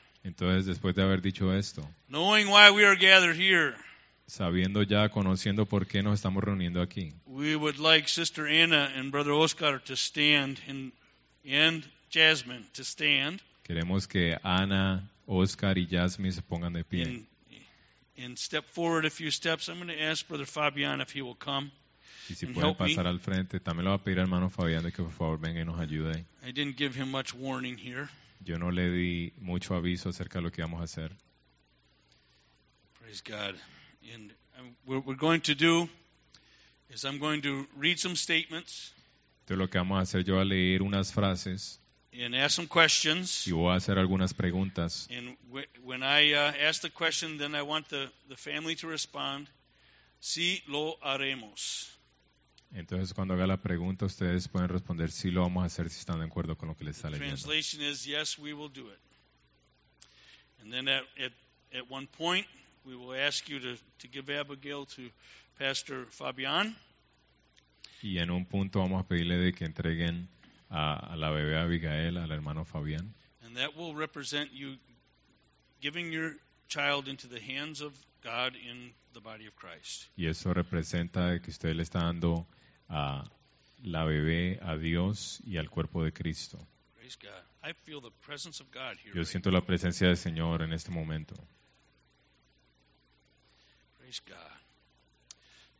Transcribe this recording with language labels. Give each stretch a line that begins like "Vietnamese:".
Spanish: Entonces después de haber dicho esto.
English: Knowing why we are gathered here.
Spanish: Sabiendo ya, conociendo por qué nos estamos reuniendo aquí.
English: We would like Sister Anna and Brother Oscar to stand and Jasmine to stand.
Spanish: Queremos que Ana, Oscar y Jasmine se pongan de pie.
English: And step forward a few steps. I'm going to ask Brother Fabian if he will come.
Spanish: Y si puede pasar al frente, también lo va a pedir al hermano Fabián de que por favor venga y nos ayude.
English: I didn't give him much warning here.
Spanish: Yo no le di mucho aviso acerca de lo que íbamos a hacer.
English: Praise God. And what we're going to do is I'm going to read some statements.
Spanish: Entonces, lo que vamos a hacer, yo voy a leer unas frases.
English: And ask some questions.
Spanish: Y voy a hacer algunas preguntas.
English: And when I ask the question, then I want the family to respond.
Spanish: Sí, lo haremos. Entonces, cuando haga la pregunta, ustedes pueden responder sí, lo vamos a hacer, si están de acuerdo con lo que les está leyendo.
English: The translation is yes, we will do it. And then at one point. We will ask you to give Abigail to Pastor Fabian.
Spanish: Y en un punto vamos a pedirle de que entreguen a la bebé Abigail al hermano Fabian.
English: And that will represent you giving your child into the hands of God in the body of Christ.
Spanish: Y eso representa que usted le está dando a la bebé a Dios y al cuerpo de Cristo.
English: Praise God. I feel the presence of God here.
Spanish: Yo siento la presencia del Señor en este momento.
English: God.